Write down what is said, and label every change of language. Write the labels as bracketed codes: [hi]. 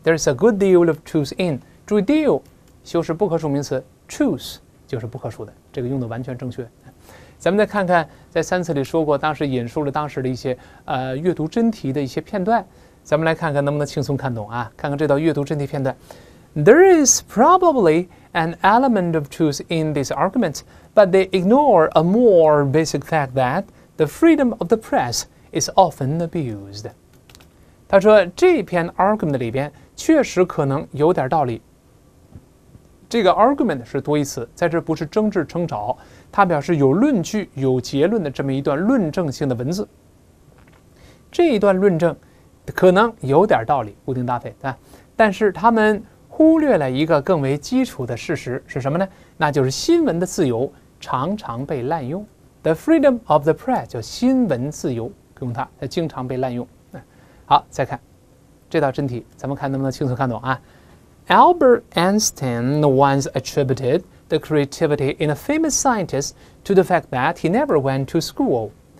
[en] There is a good deal of truth in， [zh] 注意 deal 修饰不可数名词， truth 就是不可数的，这个用的完全正确。咱们再看看在三次里说过，当时引述了当时的一些阅读真题的一些片段，咱们来看看能不能轻松看懂啊，看看这道阅读真题片段。 [en] There is probably an element of truth in this argument, but they ignore a more basic fact that the freedom of the press is often abused. [zh] 他说这篇 argument 里边确实可能有点道理，这个 argument 是多义词，在这不是争执争吵，它表示有论据有结论的这么一段论证性的文字。这一段论证可能有点道理，固定搭配，但是他们忽略了一个更为基础的事实是什么呢？那就是新闻的自由常常被滥用。 [en] The freedom of the press [zh] 叫新闻自由，用它，它经常被滥用。好，再看这道真题，咱们看能不能清楚看懂啊。 [en] Albert Einstein once attributed the creativity in a famous scientist to the fact that he never went to school.